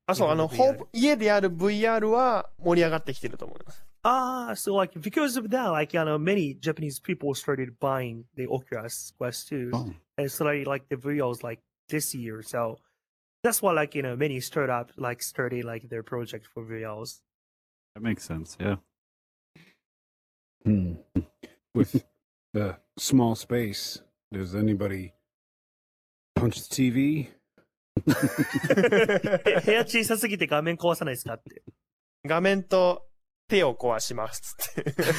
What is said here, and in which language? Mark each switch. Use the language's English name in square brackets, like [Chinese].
[Japanese] あそうあの家である VR は盛り上がってきてると思います [English] So like because of that, like you know, many Japanese people started buying the Oculus Quest 2, and started like the VRs like this year. So that's why like you know many startups like started like their project for VRs. That makes sense. Yeah. Hmm. With the small space, does anybody punch the TV? [Japanese] 部屋小さすぎて画面壊さないですかって。画面と手を壊しますって。